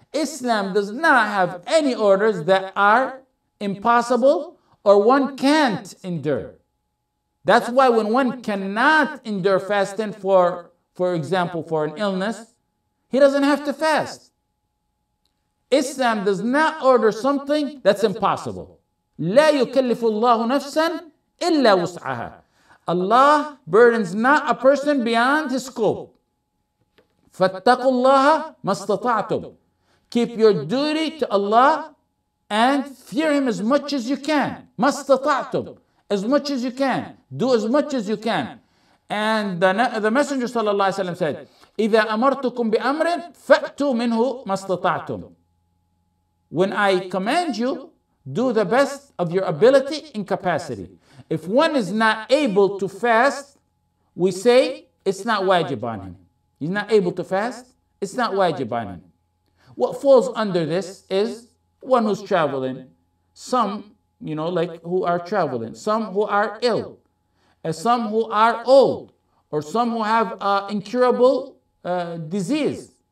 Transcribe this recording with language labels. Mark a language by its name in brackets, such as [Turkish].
[English] Islam does not have any orders that are impossible or one can't endure. That's why when one cannot endure fasting, for example, for an illness, he doesn't have to fast. Islam does not order something that's impossible. [Arabic] لا يكلف الله نفسا إلا وسعها. [English] Allah burdens not a person beyond his scope. [Arabic] فَاتَّقُوا اللَّهَ مَا اسْتَطَعْتُمْ. [English] Keep your duty to Allah and fear Him as much as you can. مَا اسْتَطَعْتُمْ. As much as you can. Do as much as you can. [Arabic] And the Messenger صلى الله عليه وسلم said, إِذَا أَمَرْتُكُمْ بِأَمْرٍ فَأْتُوا مِنْهُ مَا اسْتَطَعْتُمْ. [English] When I command you, do the best of your ability and capacity. If one is not able to fast, we say it's not wajib on him. He's not able to fast, it's not wajib on him. What falls under this is one who's traveling, some, you know, like who are traveling, some who are ill, and some who are old, or some who have incurable disease.